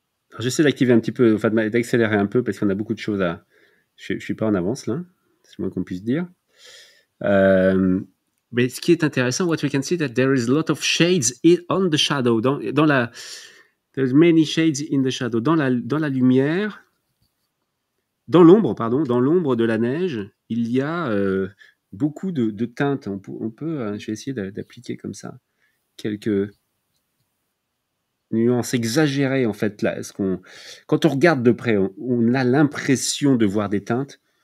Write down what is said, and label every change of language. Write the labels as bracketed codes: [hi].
[fr] Alors j'essaie d'activer un petit peu, enfin d'accélérer un peu parce qu'on a beaucoup de choses à... Je ne suis pas en avance là, c'est le moins qu'on puisse dire. Mais ce qui est intéressant, [en] what we can see that there is a lot of shades on the shadow. There's many shades in the shadow. [fr] Dans la lumière, dans l'ombre de la neige, il y a beaucoup de teintes. Je vais essayer d'appliquer comme ça quelques... nuance exagérée en fait là. Quand on regarde de près, on a l'impression de voir des teintes.